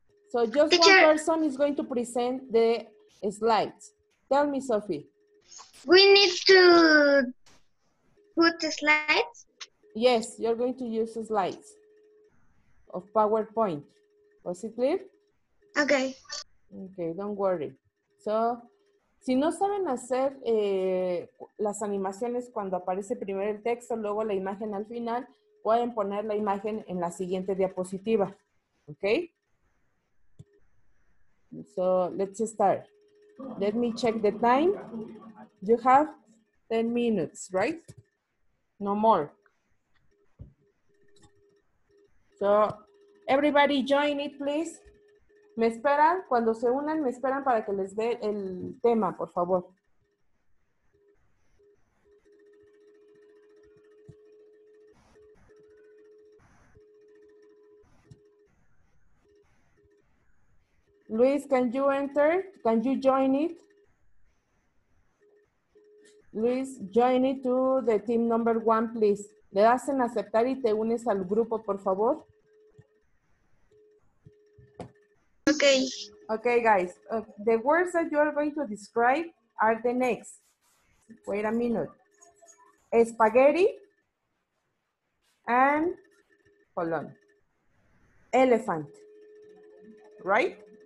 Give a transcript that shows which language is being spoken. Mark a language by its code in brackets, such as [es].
[en] So just teacher, one person is going to present the slides. Tell me, Sophie. We need to put the slides? Yes, you're going to use the slides of PowerPoint. Was it clear? Okay. Okay, don't worry. [es] So, si no saben hacer las animaciones cuando aparece primero el texto, luego la imagen al final, pueden poner la imagen en la siguiente diapositiva. ¿Ok? [en] So, let's start. Let me check the time. You have 10 minutes, right? No more. So, everybody join it, please. [es] Me esperan, cuando se unan, me esperan para que les dé el tema, por favor. [en] Luis, can you enter? Can you join it? Luis, join it to the team number one, please. [es] Le das en aceptar y te unes al grupo, por favor. [en] Okay. Okay, guys. The words that you are going to describe are the next. Wait a minute. Spaghetti and, hold on, elephant, right?